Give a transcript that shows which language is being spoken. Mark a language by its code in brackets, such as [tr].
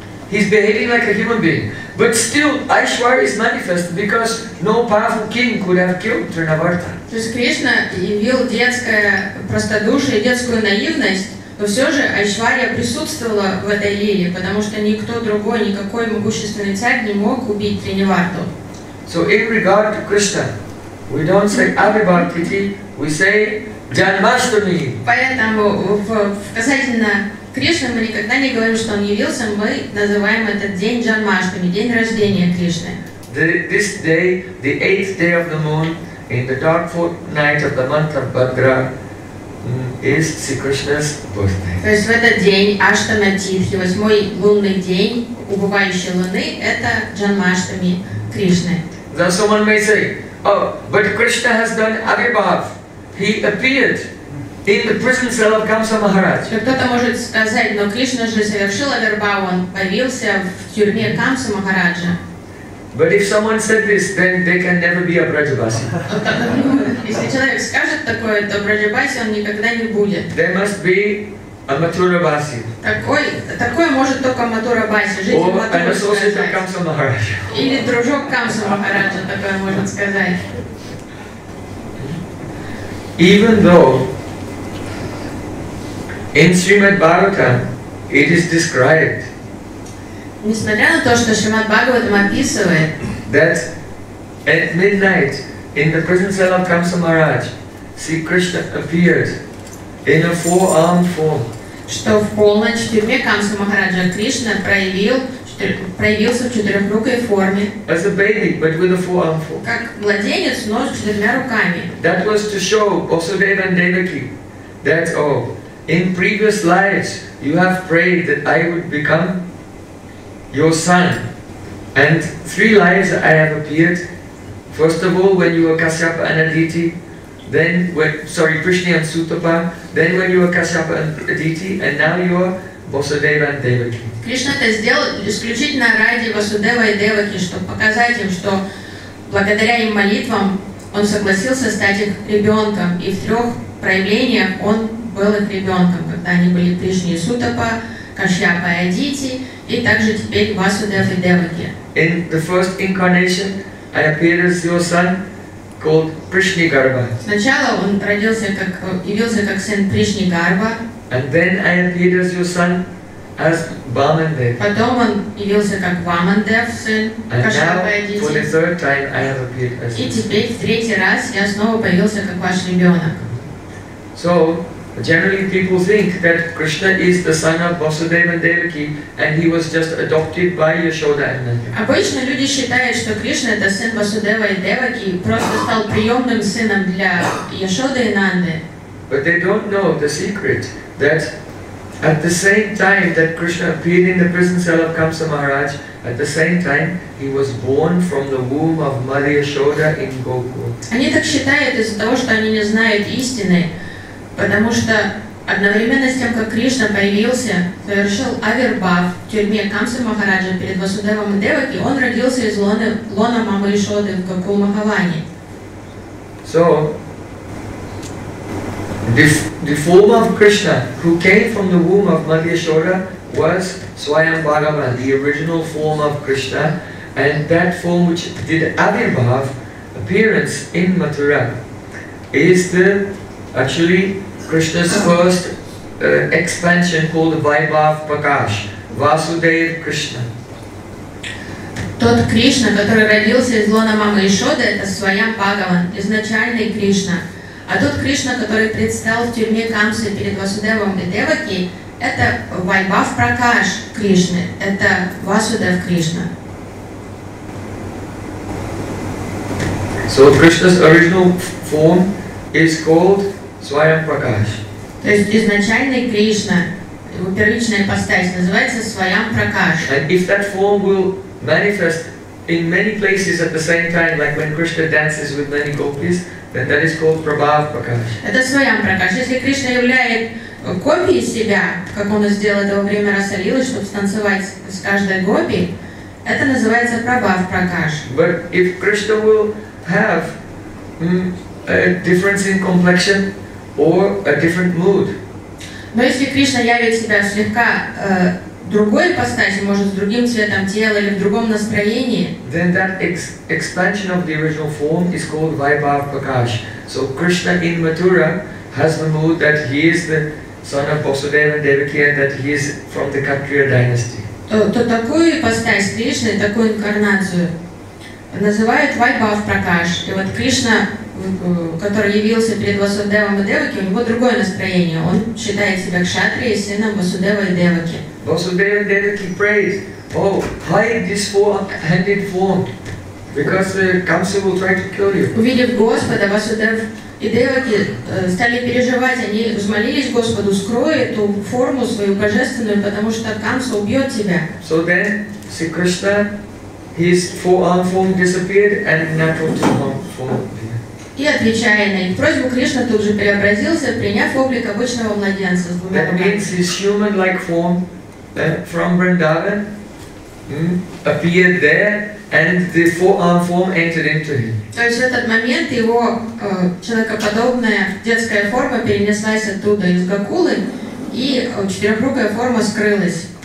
[en] He's behaving like a human being. But still, Aishwarya is manifest because no powerful king could have killed Trinivartha. [ru] То есть Кришна явил детское простодушие, детскую наивность, но все же Айшварья присутствовала в этой лиле, потому что никто другой, никакой могущественный царь не мог убить Тринивартху. [en] So in regard to Krishna, we don't say Abhibhaktiti, we say Janmashtami. [ru] Поэтому касательно Кришны мы никогда не говорим, что он явился, мы называем этот день Джанмаштами, день рождения Кришны. [en] This day, the eighth day of the moon, in the dark fourth night of the month of Bhadra, is Sri Krishna's birthday. [ru] То есть в этот день Аштама Тирхи, восьмой лунный день убывающей луны, это Джанмаштами Кришны. [en] Then someone may say, oh, but Krishna has done Abhibhav. He appeared in the prison cell of Kamsa Maharaj. [ru] Кто-то может сказать, но Кришна же совершил Абхибхав, он появился в тюрьме Камса Махараджа. [en] But if someone said this, then they can never be a Brajabasi. [ru] Если человек скажет такое, то Брajabasi он никогда не будет. [en] There must be a Mathurabasi. [ru] Такой может только Mathurabasi, житель Mathura сказать. [en] Or an associate of Kamsa Maharaj. [ru] Или дружок Камса Махараджа, такое может сказать. [en] Even though in Srimad Bhagavatam it is described, [ru] несмотря на то, что Шримад Бхагаватам описывает, [en] that at midnight in the prison cell of Kamsa Maharaj, Sri Krishna appeared in a four-armed form. [ru] Что в полночь в тюрьме Камсы Махараджа Кришна проявился в четырехрукой форме. [en] As a baby, but with a four-armed form. [ru] Как младенец, но с четырьмя руками. [en] That was to show Vasudeva and Devaki that, oh, in previous lives you have prayed that I would become your son, and three lives I have appeared. First of all, when you were Kasyapa and Aditi, Krishna and Sutapa, then when you were Kasyapa and Aditi, and now you are Vasudeva and Devaki. [ru] Krishna это сделал исключительно ради Vasudeva и Devaki, чтобы показать им, что благодаря им молитвам он согласился стать их ребенком, и в трех проявлениях он был их ребенком, когда они были Кришна и Сутапа, Кашьяпа и Адити, и также теперь Васудев и Деваки. [en] In the first incarnation, I appeared as your son called Пришнигарба. [ru] Сначала он явился как сын Пришнигарба. [en] And then I appeared as your son as Бамандев. [ru] Потом он явился как Бамандев, сын Кашьяпа и Адити. [en] For the third time, I have appeared as your son. [ru] И теперь в третий раз я снова появился как ваш ребенок. [en] So, generally, people think that Krishna is the son of Vasudeva and Devaki, and he was just adopted by Yashoda and Nanda. [ru] Обычно люди считают, что Кришна это сын Васудева и Деваки, просто стал приемным сыном для Яшоды и Нанды. [en] But they don't know the secret that at the same time that Krishna appeared in the prison cell of Kamsa Maharaj, at the same time he was born from the womb of Mother Yashoda in Gokul. [ru] Они так считают из-за того, что они не знают истины. Потому что одновременно с тем, как Кришна появился, совершил авирбав в тюрьме Камсы Махараджа перед Васудевом и Деваки, он родился из лона мамы Ишоды в Гокул Махалани. [en] So, the form of Krishna, who came from the womb of Mother Ishoda, was Swayam Bhagavan, the original form of Krishna, and that form which did avirbhav appearance in Mathura, is the actually Krishna's first expansion called Vaibhav Prakash, Vasudev Krishna. [ru] Тот Кришна, который родился из лона мамы Ишоды, это Свайам Бхагаван, изначальный Кришна. А тот Кришна, который предстал в тюрьме Камсы перед Васудевом и Деваки, это Вайбав Пракаш Кришны, это Васудев Кришна. [en] So Krishna's original form is called Swayam Prakash. [ru] То есть изначальный Кришна, его первичная ипостась называется Свайам Пракаш. [en] And if that form will manifest in many places at the same time, like when Krishna dances with many gopis, then that is called Prabhav Prakash. [ru] Это Свайам Пракаш. Если Кришна являет копией себя, как он сделал это во время Расалилы, чтобы станцевать с каждой гопи, это называется Прабхав Пракаш. [en] But if Krishna will have a difference in complexion or a different mood. [ru] Но если Кришна явит себя слегка другой ипостаси, может с другим цветом тела или в другом настроении. [en] Then that expansion of the original form is called Vaibhav Prakash. So Krishna in Mathura has the mood that he is the son of Vasudeva and Devaki and that he is from the Kshatriya dynasty. [ru] То такую ипостась Кришны, такую инкарнацию называют Vaibhav Prakash. И вот Кришна, который явился перед Васудевом и Деваки, у него другое настроение. Он считает себя кшатрией, сыном Васудева и Деваки. [en] Vasudeva and Devaki prays, oh, hide this four-handed form, because the Kamsa will try to kill you. [ru] Увидев Господа, Васудев и Деваки стали переживать, они взмолились Господу, скрой эту форму свою божественную, потому что Камса убьет тебя. [en] So then, Sri Krishna, his four-armed form disappeared and natural two-armed form appeared. [ru] И отвечая на их просьбу, Кришна тут же преобразился, приняв облик обычного младенца. [en] That means his human-like form from Vrindavan appeared there and the four-armed form entered into him. [ru] То есть в этот момент его человекоподобная детская форма перенеслась оттуда из Гакулы и четырехрукая форма скрылась.